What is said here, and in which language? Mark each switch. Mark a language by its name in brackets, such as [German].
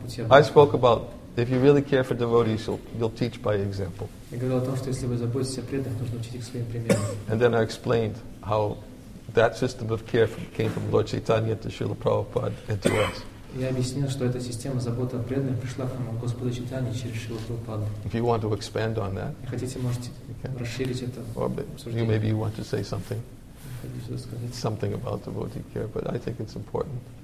[English] I spoke about if you really care for devotees, you'll teach by example. And then I explained how that system of care came from Lord Chaitanya to Srila Prabhupada and to us. [Russian] Я объяснил, что эта система заботы о преданных пришла к нам от Господа Чайтаньи через Шрилу Прабхупаду. [English] If you want to expand on that, [Russian] и хотите, можете расширить это. [English] Or maybe you want to say something about devotee care, but I think it's important.